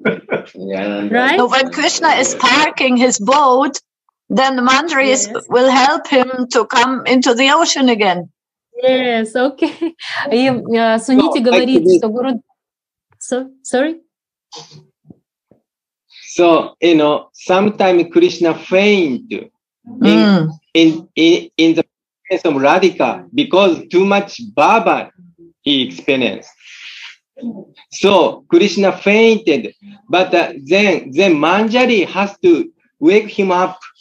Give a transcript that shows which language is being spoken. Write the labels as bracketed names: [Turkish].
[English] Right? So when Krishna is parking his boat, then the Manjaris yes. will help him to come into the ocean again. Yes, okay. [Russian] И Суннити говорит, что Гуру... [English] Sorry? So, you know, sometimes Krishna faint in the presence of Radhika because too much Baba he experienced. So Krishna fainted, but then Manjari has to wake him up.